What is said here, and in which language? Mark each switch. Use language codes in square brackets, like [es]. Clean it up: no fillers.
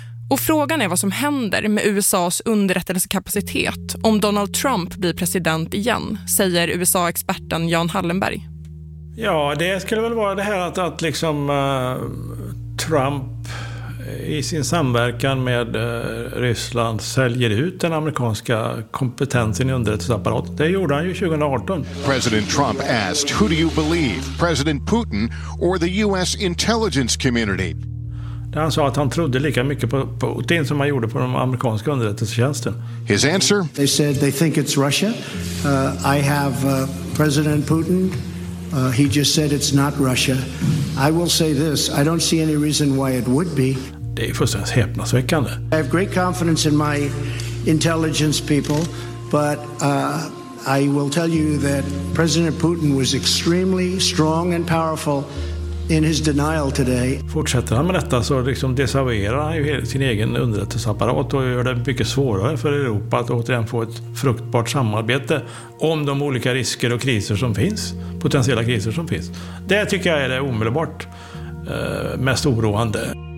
[sv] Och frågan är vad som händer med USAs underrättelsekapacitet om Donald Trump blir president igen, säger USA-experten Jan Hallenberg. Ja, det skulle väl vara det här att liksom Trump i sin samverkan med Ryssland säljer ut den amerikanska kompetensen i underrättelseapparatet. Det gjorde han ju 2018. [en] President Trump asked, "Who do you believe, President Putin or the US intelligence community?" [sv] Där han sa att han trodde lika mycket på Putin som han gjorde på de amerikanska underrättelsetjänsten. [en] His answer? They said they think it's Russia. I have President Putin. He just said it's not Russia. I will say this. I don't see any reason why it would be. [sv] Det är fullständigt häpnadsväckande. [en] I have great confidence in my intelligence people, but I will tell you that President Putin was extremely strong and powerful in his denial today. [sv] Fortsätter han med detta så liksom desavuerar han ju sin egen underrättelseapparat och gör det mycket svårare för Europa att återigen få ett fruktbart samarbete om de olika risker och kriser som finns, potentiella kriser som finns. Det tycker jag är det omedelbart mest oroande.